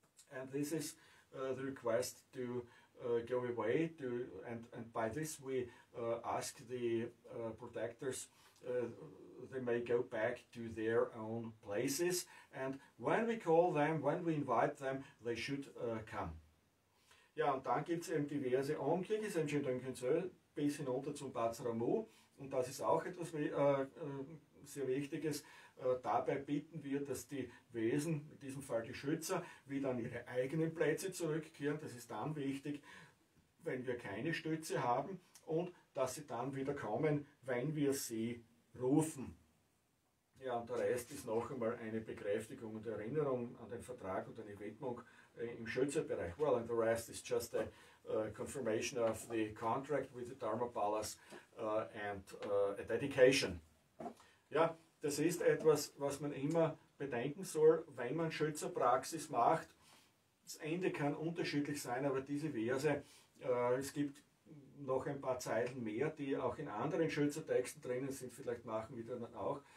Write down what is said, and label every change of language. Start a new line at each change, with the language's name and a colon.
English: And this is the request to go away, and by this we ask the protectors, they may go back to their own places, and when we call them, when we invite them, they should come.
German: Ja, und dann gibt es eben die Verse Om Kegi Senchen Dönkinzö bis hinunter zum Patsramu, und das ist auch etwas sehr Wichtiges. Dabei bitten wir, dass die Wesen, in diesem Fall die Schützer, wieder an ihre eigenen Plätze zurückkehren. Das ist dann wichtig, wenn wir keine Stütze haben, und dass sie dann wieder kommen, wenn wir sie rufen. Ja, und der Rest ist noch einmal eine Bekräftigung und Erinnerung an den Vertrag und eine Widmung im Schützerbereich.
English: Well, and the rest is just a confirmation of the contract with the Dharma Palace and a dedication.
German: Ja, das ist etwas, was man immer bedenken soll, wenn man Schützerpraxis macht. Das Ende kann unterschiedlich sein, aber diese Verse, es gibt noch ein paar Zeilen mehr, die auch in anderen Schützertexten drinnen sind, vielleicht machen wir dann auch.